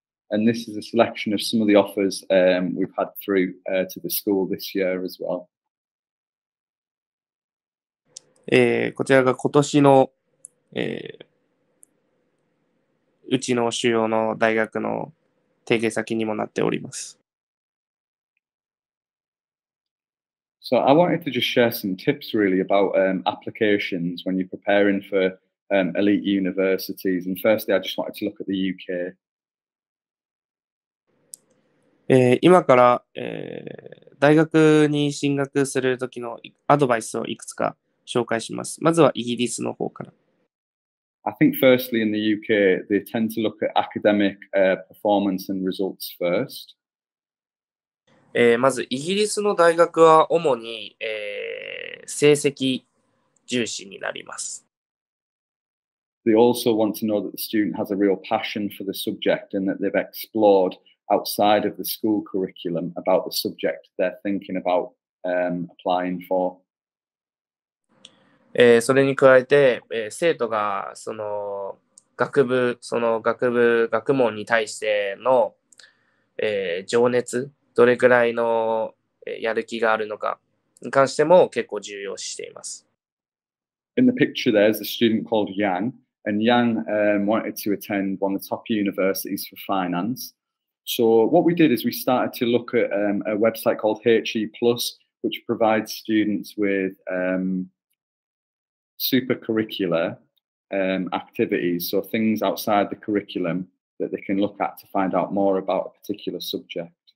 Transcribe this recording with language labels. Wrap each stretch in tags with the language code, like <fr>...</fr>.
<en>And this is a selection of some of the offers、we've had through、to the school this year as well.、</en> <ja>こちらが今年の、うちの主要の大学の提携先にもなっております。</ja> <en>So I wanted to just share some tips really about、applications when you're preparing for、elite universities. And firstly, I just wanted to look at the UK.、</en> <ja>今から、大学に進学するときのアドバイスをいくつか紹介します。まずはイギリスの方から。</ja> <en>I think firstly in the UK, they tend to look at academic、performance and results first.</en> <ja>まずイギリスの大学は主に、成績重視になります。</ja> <en>They also want to know that the student has a real passion for the subject and that they've explored outside of the school curriculum about the subject they're thinking about、applying for、</en> <ja>それに加えて、生徒がその学部、その学部、学問に対しての、情熱、どれくらいのやる気があるのかに関しても結構重要視しています。</ja> <en>In the picture there is a student called Yang, and Yang、wanted to attend one of the top universities for finance. So what we did is we started to look at、a website called HE Plus, which provides students with、super curricular、activities, so things outside the curriculum that they can look at to find out more about a particular subject.</en>